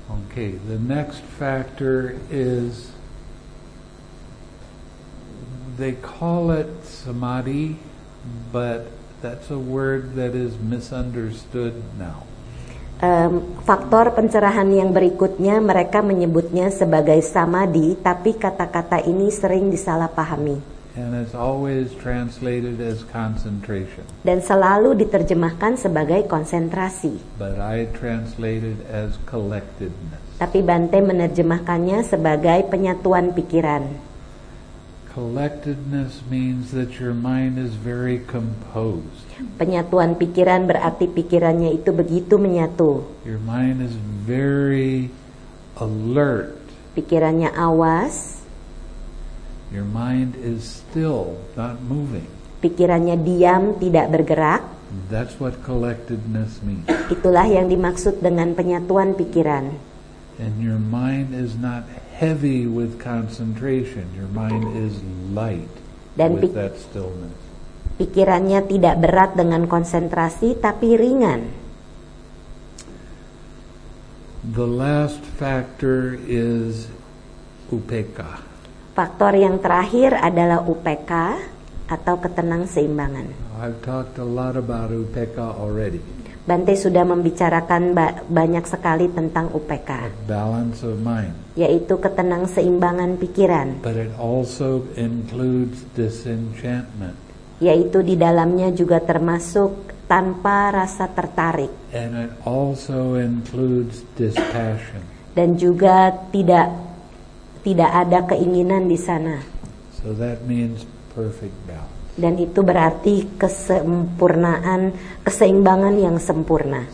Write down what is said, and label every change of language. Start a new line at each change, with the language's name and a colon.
English: Okay, the next factor is, they call it samadhi, but that's a word that is misunderstood now.
Indonesian: Faktor pencerahan yang berikutnya, mereka menyebutnya sebagai samadhi, tapi kata-kata ini sering disalahpahami.
English: And it's always translated as concentration.
Indonesian: Dan selalu diterjemahkan sebagai konsentrasi.
English: But I translate it as collectedness.
Indonesian: Tapi Bante menerjemahkannya sebagai penyatuan pikiran.
English: Collectedness means that your mind is very composed.
Indonesian: Penyatuan pikiran berarti pikirannya itu begitu menyatu.
English: Your mind is very alert.
Indonesian: Pikirannya awas.
English: Your mind is still, not moving.
Indonesian: Pikirannya diam, tidak bergerak.
English: That's what collectedness means.
Indonesian: Itulah yang dimaksud dengan penyatuan pikiran.
English: And your mind is not heavy with concentration. Your mind is light with that stillness.
Indonesian: Pikirannya tidak berat dengan konsentrasi, tapi ringan.
English: The last factor is upekkha.
Indonesian: Faktor yang terakhir adalah upekkha atau ketenang seimbangan.
English: I've talked a lot about upekkha already.
Indonesian: Bante sudah membicarakan banyak sekali tentang upekkha.
English: Balance of mind.
Indonesian: Yaitu ketenang seimbangan pikiran.
English: But it also includes disenchantment.
Indonesian: Yaitu di dalamnya juga termasuk tanpa rasa tertarik.
English: And it also includes dispassion.
Indonesian: Dan juga tidak ada keinginan di sana.
English: So that means perfect balance.
Indonesian: Dan itu berarti kesempurnaan, keseimbangan yang sempurna.